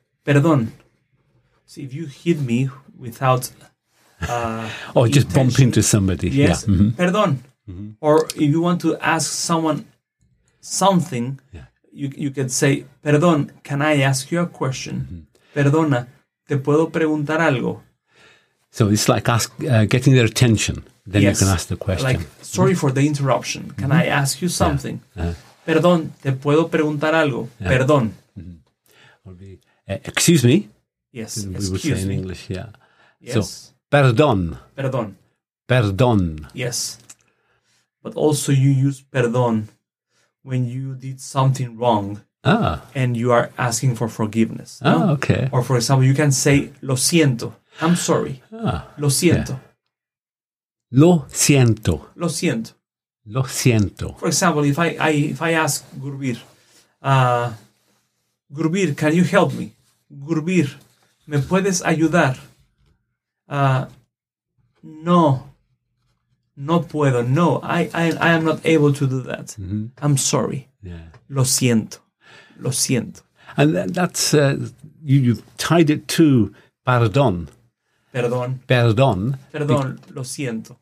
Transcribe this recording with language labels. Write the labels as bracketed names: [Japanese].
[Spanish] Perdón. [English] So if you hit me without or just bump into somebody. Yes. Yeah. Mm-hmm. [Spanish] Perdón. [English] Mm-hmm. Or if you want to ask someone something, you can say, [Spanish] perdón, [English] can I ask you a question? Mm-hmm. [Spanish] Perdona, ¿te puedo preguntar algo? [English] So it's like getting their attention. Then you can ask the question. Like, sorry for the interruption. Can mm-hmm. I ask you something? Yeah. [Spanish] Perdón, ¿te puedo preguntar algo? Yeah. Perdón. [English] Mm-hmm. Excuse me. Yes, we would say in English, yeah. Yes. So, [Spanish] perdón. Perdón. Perdón. [English] Yes. But also you use [Spanish] perdón [English] when you did something wrong and you are asking for forgiveness. Ah, no? Okay. Or for example, you can say, [Spanish] lo siento. [English] I'm sorry. [Spanish] Lo siento. Yeah. Lo siento. Lo siento. Lo siento. [English] For example, if I ask Gurbir, Gurbir, can you help me? [Spanish] Gurbir, ¿me puedes ayudar? No. No puedo. [English] No, I am not able to do that. Mm-hmm. I'm sorry. Yeah. [Spanish] Lo siento. Lo siento. [English] And that's you tied it to pardon. [Spanish] Perdón. Perdón. Perdón. Lo siento.